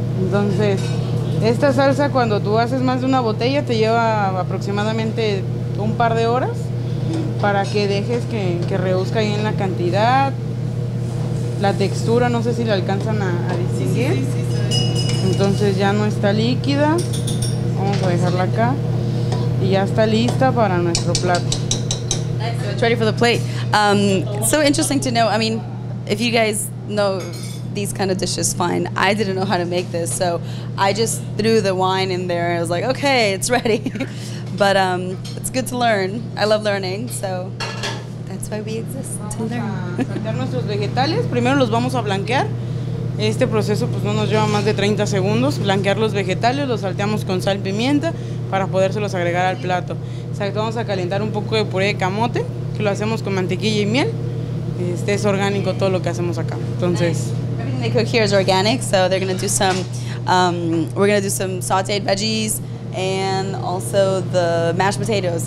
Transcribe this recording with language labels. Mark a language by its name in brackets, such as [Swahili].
[Spanish] Entonces, esta salsa cuando tú haces más de una botella te lleva aproximadamente un par de horas para que dejes que reduzca bien la cantidad, la textura, no sé si la alcanzan a distinguir. Sí, sí, sí. Entonces ya no está líquida, vamos a dejarla acá y ya está lista para nuestro plato. [English] Nice, it's ready for the plate. So interesting to know, I mean, if you guys know these kind of dishes, fine. I didn't know how to make this, so I just threw the wine in there. I was like, okay, it's ready. But it's good to learn. I love learning, so that's why we exist, [Spanish] vamos [English] to learn. [Spanish] Saltear nuestros vegetales, primero los vamos a blanquear. Este proceso pues no nos lleva más de 30 segundos. Blanquear los vegetales, los salteamos con sal y pimienta para podérselos agregar al plato. Exacto, vamos a calentar un poco de puré de camote, que lo hacemos con mantequilla y miel. Es orgánico todo lo que hacemos acá. Entonces, [English] everything they cook here is organic, so they're going to do some we're going to do some sauteed veggies and also the mashed potatoes.